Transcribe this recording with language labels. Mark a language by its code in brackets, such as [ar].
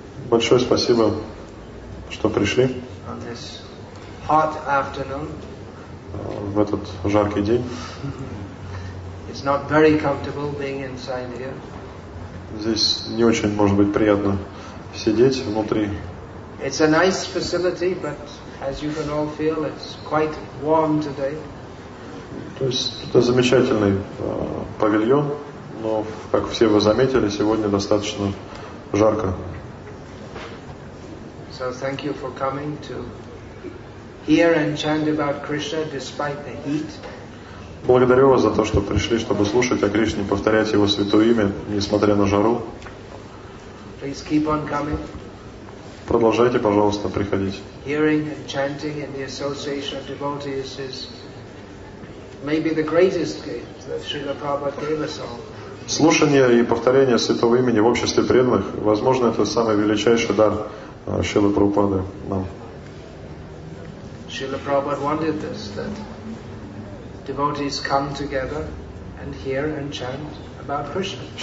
[ru] Большое спасибо, что пришли. [en] On this hot afternoon. [ru] В этот жаркий день. [en] It's not very comfortable being inside here. [ru] Здесь не очень, может быть, приятно сидеть внутри. [en] It's a nice facility, but as you can all feel, it's quite warm today. [ru] То есть это замечательный павильон. Но, как все вы заметили, сегодня достаточно жарко. [en] So thank you for coming to hear and chant about Krishna despite the heat. [ru] Благодарю вас за то, что пришли, чтобы слушать о Кришне, повторять его святое имя, несмотря на жару. [en] Please keep on coming. [ru] Продолжайте, пожалуйста, приходить. [en] Hearing and chanting in the association of devotees is maybe the greatest gift that Srila Prabhupada gave us all. [ru] Слушание и повторение святого имени в обществе преданных, возможно, это самый величайший дар Шрилы Прабхупады нам. [en] Шрила Прабхупада wanted this, that devotees come together and hear and chant about Krishna.